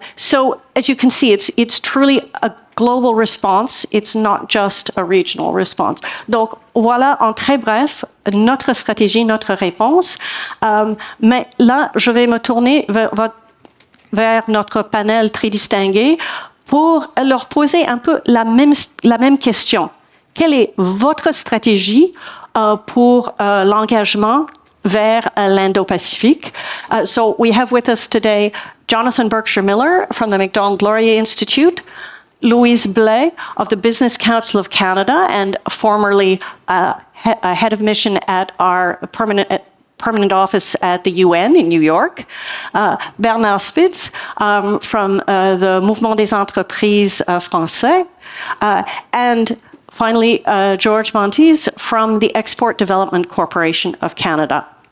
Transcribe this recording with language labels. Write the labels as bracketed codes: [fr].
[en] So as you can see, it's truly a global response. It's not just a regional response. [fr] Donc voilà, en très bref, notre stratégie, notre réponse. Mais là, je vais me tourner vers notre panel très distingué pour leur poser un peu la même question. Quelle est votre stratégie pour l'engagement vers l'Indo-Pacifique? [en] So we have with us today Jonathan Berkshire-Miller from the Macdonald Laurier Institute, Louise Blais of the Business Council of Canada and formerly head of mission at our permanent office at the UN in New York, Bernard Spitz from the Mouvement des entreprises français, and finally, George Montize from the Export Development Corporation of Canada.